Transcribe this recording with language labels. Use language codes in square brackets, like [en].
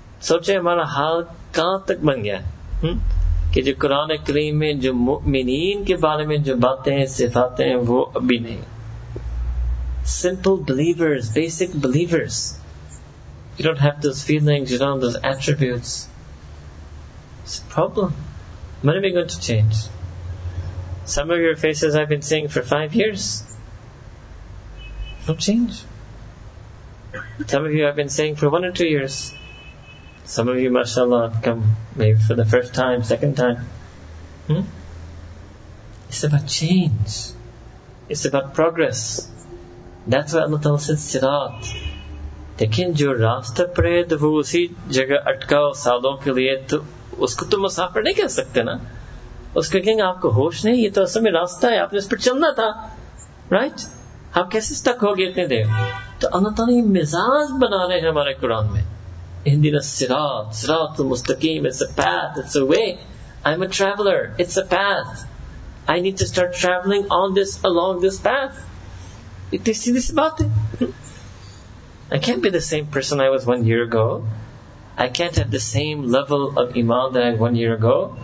[ur] سوچے ہمارا حال کہاں تک بن گیا ہے کہ جو قرآن کریم میں جو مؤمنین کے بارے میں جو باتیں ہیں صفاتیں ہیں وہ ابھی نہیں [en] Simple believers basic believers You don't have those feelings, you don't have those attributes. It's a problem. When are we going to change? Some of your faces I've been seeing for 5 years. No change. Some of you I've been seeing for 1 or 2 years. Some of you, mashallah, have come maybe for the first time, second time. It's about change. It's about progress. That's why Allah Ta'ala says sirat. [ur] لیکن جو راستہ پر ہے تو وہ اسی جگہ اٹکا ہو سالوں کے لیے تو اس کو تو مسافر نہیں کہہ سکتے نا اس کو کہیں گے آپ کو ہوش نہیں یہ تو اصل میں راستہ ہے آپ نے اس پر چلنا تھا رائٹ آپ کیسے سٹک ہو گئے اتنے دیر تو اللہ تعالیٰ یہ مزاج بنا رہے ہیں ہمارے قرآن میں ہندی صراط صراط المستقیم [en] it's a path it's a way I am a traveller it's a path I need to start travelling on this along this path [ur] اتنی سیدھی سی بات ہے [en] I can't be the same person I was 1 year ago. I can't have the same level of iman that I had 1 year ago.